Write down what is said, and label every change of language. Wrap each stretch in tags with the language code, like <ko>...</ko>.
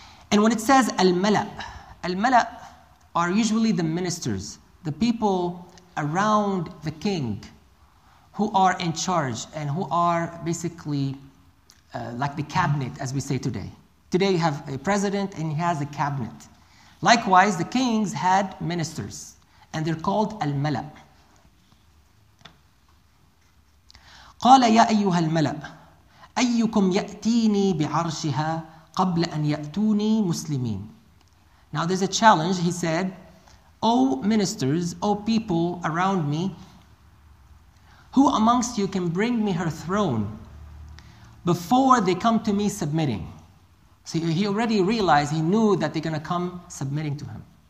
<en>And when it says al-mala' are usually the ministers, the people around the king who are in charge and who are basically like the cabinet, as we say today. Today you have a president and he has a cabinet. Likewise, the kings had ministers, and they're called al-mala'.</en> <ar>قال يا أيها الملأ أيكم يأتيني بعرشها قبل أن يأتوني مسلمين.</ar> <en>Now there's a challenge. He said, "O ministers, O people around me, who amongst you can bring me her throne before they come to me submitting?" See, he already realized, he knew that they're going to come submitting to him.</en>